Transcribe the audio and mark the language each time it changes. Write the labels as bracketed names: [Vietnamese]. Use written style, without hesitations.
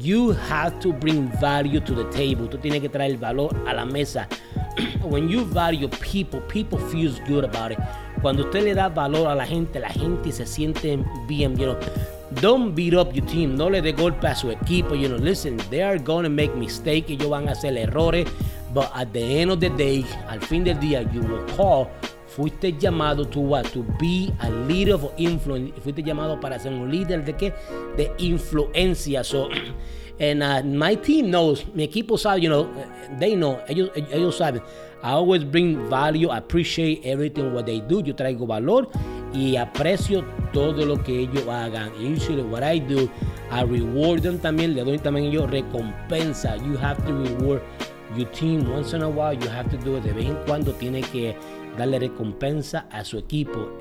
[English] You have to bring value to the table. [Spanish] Tú tienes que traer valor a la mesa. [English] When you value people feel good about it. [Spanish] Cuando usted le da valor a la gente se siente bien, [English] you know. Don't beat up your team. [Spanish] No le dé golpe a su equipo, [English] you know. Listen, they are going to make mistakes. [Spanish] Ellos van a hacer errores. [English] But at the end of the day, [Spanish] al fin del día, [English] you will call. [Spanish] Fuiste llamado [English] to what? To be a leader of influence. [Spanish] Fuiste llamado para ser un líder de qué? De influencia. [English] So, and my team knows. [Spanish] Mi equipo sabe, [English] you know. They know. [Spanish] Ellos saben. [English] I always bring value. I appreciate everything what they do. [Spanish] Yo traigo valor. Y aprecio todo lo que ellos hagan. [English] Usually what I do, I reward them [Spanish] también. Le doy también yo recompensa. [English] You have to reward your team once in a while. You have to do it. [Spanish] De vez en cuando tiene que darle recompensa a su equipo.